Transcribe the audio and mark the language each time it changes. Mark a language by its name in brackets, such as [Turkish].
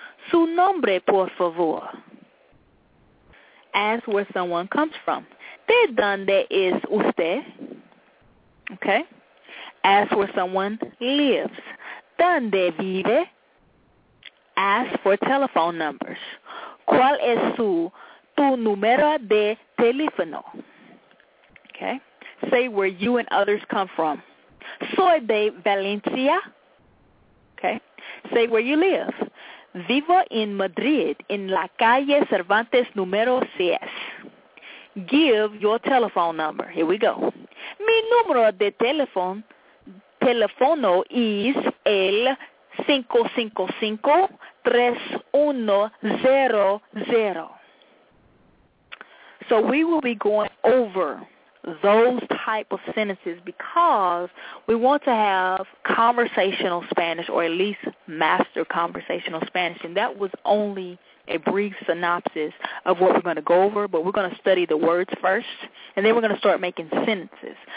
[Spanish] Su nombre, por favor. [English] Ask where someone comes from. [Spanish] ¿De dónde es usted? [English] Okay. Ask where someone lives. [Spanish] ¿Dónde vive? [English] Ask for telephone numbers. [Spanish] ¿Cuál es tu número de teléfono? [English] Okay. Say where you and others come from. [Spanish] Soy de Valencia. [English] Okay. Say where you live. [Spanish] Vivo en Madrid, en la calle Cervantes número 6. [English] Give your telephone number. Here we go. [Spanish] Mi número de teléfono es el 555-3100. [English] So we will be going over those type of sentences because we want to have conversational Spanish, or at least master conversational Spanish. And that was only a brief synopsis of what we're going to go over, but we're going to study the words first, and then we're going to start making sentences.